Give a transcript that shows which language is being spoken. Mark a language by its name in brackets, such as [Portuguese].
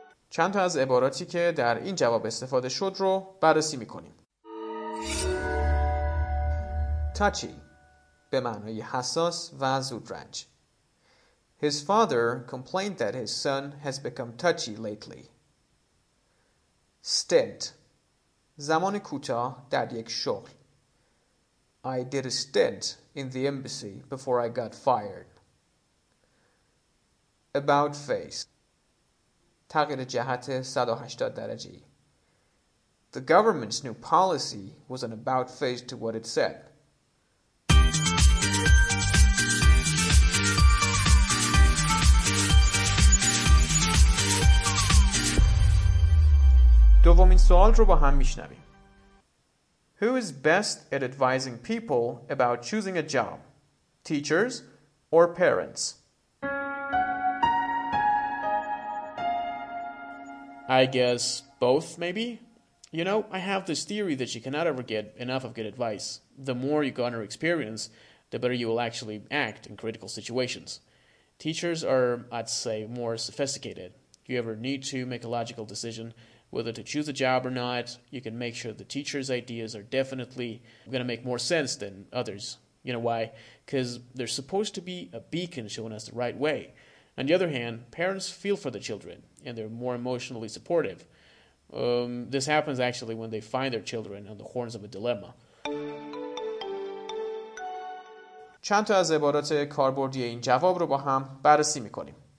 [Persian] چند تا از عباراتی که در این جواب استفاده شد رو بررسی می‌کنیم. Touchy, به معنی حساس و زودرنج. [English] His father complained that his son has become touchy lately. [Persian] Stint, زمان کوتاه در یک شغل. [English] I did a stint in the embassy before I got fired. [Persian] About face, تغییر جهت 180 درجه. [English] The government's new policy was an about face to what it said. [Persian] دومین سوال رو با هم میشنویم. [English] Who is best at advising people about choosing a job? Teachers or parents? I guess both, maybe. You know, I have this theory that you cannot ever get enough of good advice. The more you garner experience, the better you will actually act in critical situations. Teachers are, I'd say, more sophisticated. You ever need to make a logical decision whether to choose a job or not, you can make sure the teacher's ideas are definitely going to make more sense than others. You know why? Because they're supposed to be a beacon showing us the right way. On the other hand, parents feel for the children, and they're more emotionally supportive. This happens actually when they find their children on the horns of a dilemma. [Persian] چند تا از عبارات کاربردی این جواب رو با هم بررسی میکنیم.